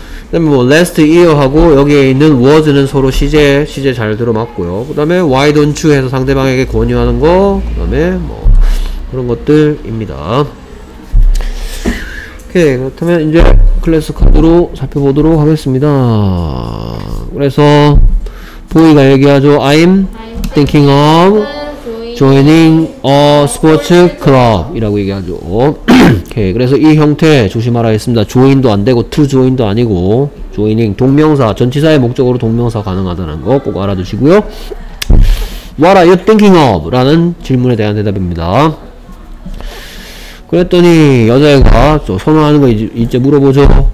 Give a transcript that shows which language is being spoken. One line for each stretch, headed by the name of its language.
Korean: 그 다음에 뭐 last year 하고 여기에 있는 was는 서로 시제 잘 들어맞고요. 그 다음에
English: why don't you
Korean: 해서 상대방에게 권유하는 거. 그 다음에 뭐 그런 것들입니다. 오케이. 그렇다면 이제 클래스 카드로 살펴보도록 하겠습니다. 그래서 보이가 얘기하죠.
English: I'm thinking of joining a sports club
Korean: 이라고 얘기하죠. 오케이. 그래서 이 형태 조심하라 했습니다. join도 안 되고 to join도 아니고 joining 동명사 전치사의 목적으로 동명사 가능하다는 거 꼭 알아두시고요.
English: What are you thinking of?
Korean: 라는 질문에 대한 대답입니다. 그랬더니 여자애가 저 선호하는 거 이제 물어보죠.